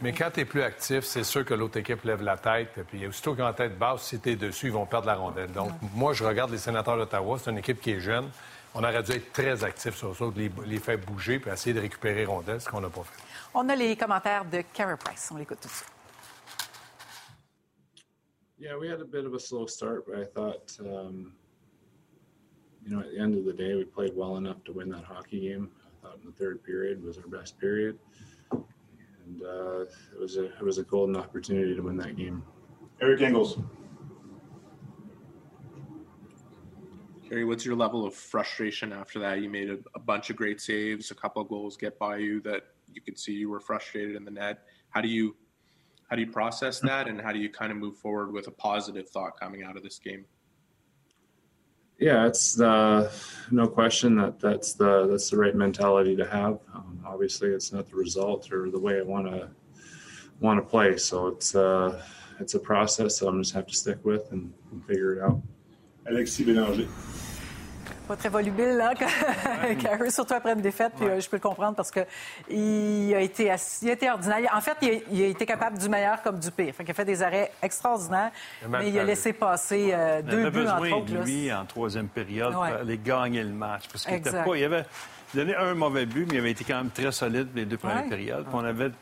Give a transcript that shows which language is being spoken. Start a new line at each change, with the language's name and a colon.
French: Mais quand t'es plus actif, c'est sûr que l'autre équipe lève la tête. Puis aussitôt qu'ils ont la tête basse, si t'es dessus, ils vont perdre la rondelle. Donc, moi, je regarde les Sénateurs d'Ottawa. C'est une équipe qui est jeune. On aurait dû être très actifs sur ça, les faire bouger puis essayer de récupérer rondelles, ce qu'on n'a pas fait. On a les commentaires de Carey Price. On l'écoute tout de suite.
English: Yeah, we had a bit of a slow start, but I thought, you know, at the end of the day, we played well enough to win that hockey game. I thought in the third period was our best period, and it was a golden opportunity to win that game. Eric Engels. Carey, what's your level of frustration after that? You made a bunch of great saves, a couple of goals get by you that you could see you were frustrated in the net. How do you process that, and how do you kind of move forward with a positive thought coming out of this game? Yeah, it's no question that that's the right mentality to have. Obviously, it's not the result or the way I want to play. So it's a process that I'm just have to stick with and figure it out.
French: Alexis Bélanger. Pas très volubile, là, Carey, surtout après une défaite, puis je peux le comprendre parce qu'il a été ordinaire. En fait, il a été capable du meilleur comme du pire. Fait qu'il a fait des arrêts extraordinaires, mais il a laissé passer deux buts, entre autres. Il avait besoin de lui en troisième période pour aller gagner le match. Parce qu'il était pas... Il avait donné un mauvais but, mais il avait été quand même très solide les deux premières périodes. Puis on avait...